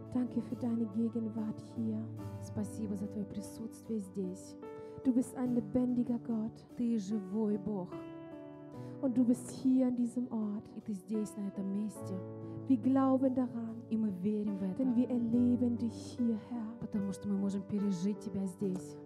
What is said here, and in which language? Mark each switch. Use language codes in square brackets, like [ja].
[de] Danke für deine Gegenwart hier. [ru] Спасибо за твое присутствие здесь. [de] Du bist ein lebendiger Gott. [ru] Ты живой Бог. [de] Und du bist hier an diesem Ort. [ru] И ты здесь, на этом месте. [de] Wir glauben daran. [ru] И мы верим в это. [de] Denn wir erleben dich hier, Herr. [ru] Потому что мы можем пережить тебя здесь.